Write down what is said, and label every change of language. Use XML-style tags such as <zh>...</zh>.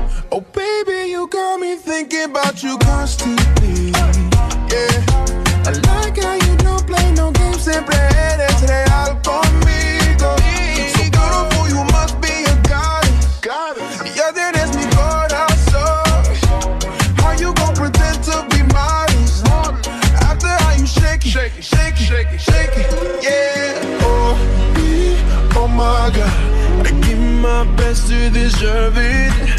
<en>Oh baby, you got me thinking about you constantly. Yeah, I like how you don't play no games.</en> <es>Siempre eres real conmigo.</es> <en>So beautiful, you must be a goddess. Goddess.</en> <es>Ya tienes mi corazón.</es> <en>How you gon' pretend to be modest after how you shake it, shake it, shake it, shake it, shake it. Yeah. Oh me, oh my God, I give my best, you deserve it.</en>